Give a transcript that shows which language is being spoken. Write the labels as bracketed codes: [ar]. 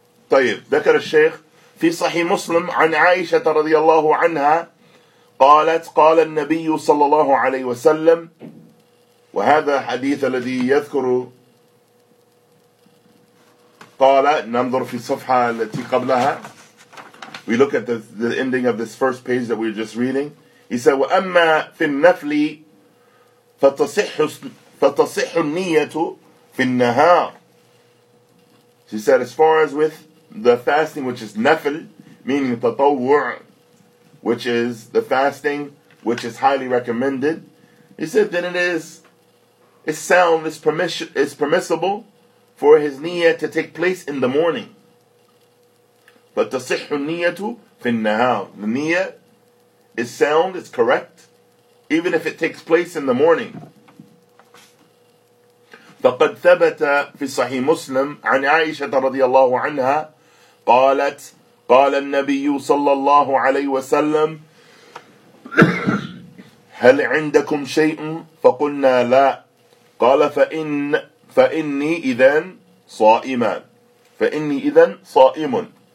[ar] طيب ذكر الشيخ في صحيح مسلم عن عائشة رضي الله عنها قالت قال النبي صلى الله عليه وسلم وهذا حديث الذي يذكر قال ننظر في الصفحة التي قبلها. [en] We look at the ending of this first page that we're just reading. He said [ar] وأما في النفل فتصح النية في النهار. [en] She said as far as with the fasting which is nafil, meaning tatawwu', which is the fasting which is highly recommended, he said then it's permissible for his niyyah to take place in the morning. But [ar] tasihhu niyyatu fin nahar, [en] the niyyah is sound, it's correct, even if it takes place in the morning. [ar] فقد ثبت في صحيح مسلم عن عائشة رضي الله عنها قالت قال النبي صلى الله عليه وسلم هل عندكم شيء فقلنا لا قال فإني إذن صائما فإني إذن صائم.